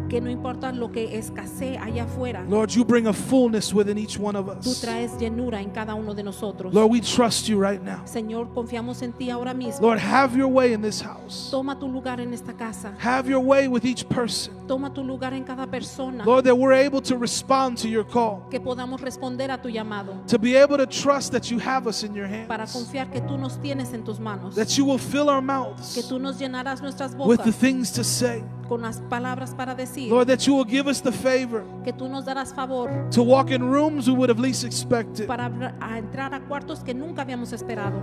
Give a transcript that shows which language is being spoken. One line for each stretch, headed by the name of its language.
Spanish: Que no importa lo que escasee allá afuera.
English: Lord, you bring a fullness within each one of us.
Spanish: Tú traes llenura en cada uno de nosotros.
English: Lord, we trust you right now.
Spanish: Señor, confiamos en ti ahora mismo.
English: Lord, have your way in this house.
Spanish: Toma tu lugar en esta casa.
English: Have your way with each person.
Spanish: Toma tu lugar en cada persona.
English: Lord, that we're able to respond to your call.
Spanish: Que podamos responder a tu llamado.
English: To be able to trust that you have us in your hands.
Spanish: Para confiar que tú nos tienes en tus manos.
English: That you will fill our mouths
Spanish: que tú nos llenarás nuestras bocas
English: with the things to say.
Spanish: Con las palabras para decir.
English: Lord, that you will give us the favor
Spanish: que tú nos darás favor
English: to walk in rooms we would have least expected.
Spanish: Para entrar a cuartos que nunca habíamos esperado.